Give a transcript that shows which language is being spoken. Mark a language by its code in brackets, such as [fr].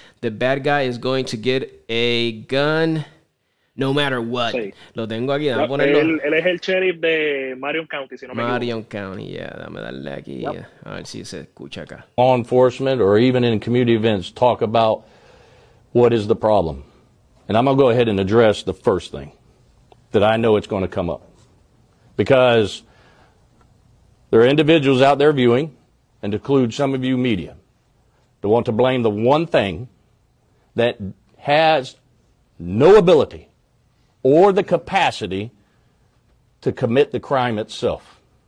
[en] The bad guy is going to get a gun no matter what. [es] Sí. Lo tengo aquí, déjame ponerlo. Él es el sheriff de Marion County, si no me equivoco. Marion County, dame darle aquí, a ver si se escucha acá. [en] Law enforcement or even in community events, talk about what is the problem. And I'm going to go ahead and address the first thing that I know it's going to come up. Because there are individuals out there viewing, and include some of you media, that want to blame the one thing that has no ability or the capacity to commit the crime itself.